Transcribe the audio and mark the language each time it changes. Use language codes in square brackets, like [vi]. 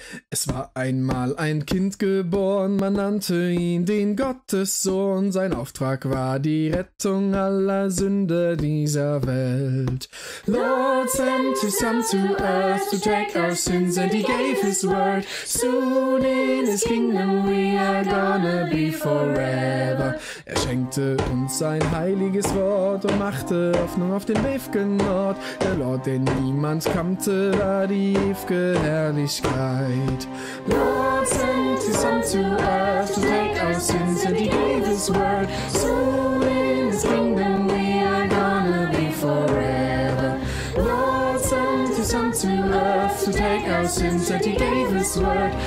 [de] Es war einmal ein Kind geboren, man nannte ihn den Gottessohn. Sein Auftrag war die Rettung aller Sünder dieser Welt. [en] Lord sent his son to earth to take our sins, and he gave his word. Soon in his kingdom we are gonna be forever. [de] Er schenkte uns sein heiliges Wort und machte Hoffnung auf den ewigen Ort. Der Lord, den niemand kannte, war die ewige Herrlichkeit. [en] Lord sent his son to earth to take our sins, and he gave his word. Soon in his kingdom we are gonna be forever. Lord sent his son to earth to take our sins, and he gave his word.